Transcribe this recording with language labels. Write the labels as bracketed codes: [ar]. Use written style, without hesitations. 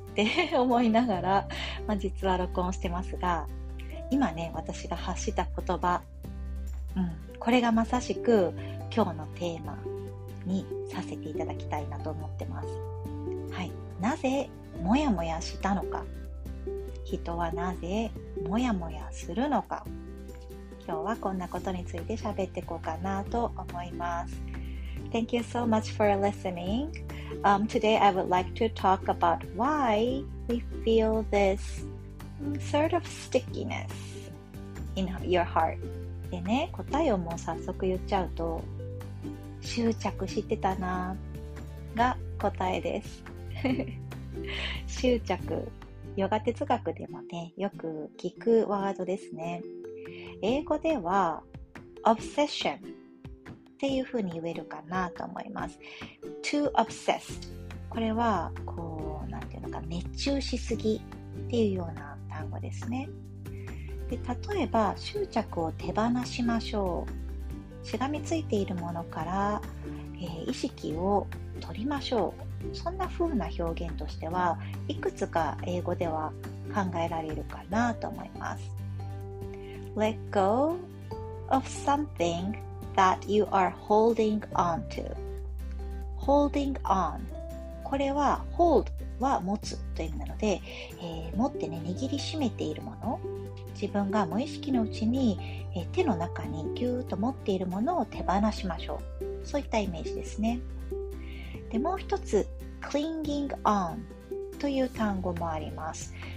[ja] って思いながら、まあ、実は録音してますが、今ね私が発した言葉、これがまさしく今日のテーマにさせていただきたいなと思ってます。はい、なぜモヤモヤしたのか、人はなぜモヤモヤするのか、今日はこんなことについて喋っていこうかなと思います。 [en] Thank you so much for listeningtoday I would like to talk about why we feel this sort of stickiness in your heart. [ja] でね、答えをもう早速言っちゃうと、執着してたなが答えです。執着、ヨガ哲学でもね、よく聞くワードですね。英語では obsessionっていう風に言えるかなと思います。 [en] Too obsessed。 [ja] これは、こう、なんていうのか、熱中しすぎっていうような単語ですね。で、例えば、執着を手放しましょう。しがみついているものから、意識を取りましょう。そんな風な表現としては、いくつか英語では考えられるかなと思います。 [en] Let go of somethingthat you are holding on to. Holding on. [ja] これは hold は持つという意味なので、持ってね、握りしめているもの、自分が無意識のうちに、手の中にぎゅーっと持っているものを手放しましょう。そういったイメージですね。で、もう一つ clinging on という単語もあります。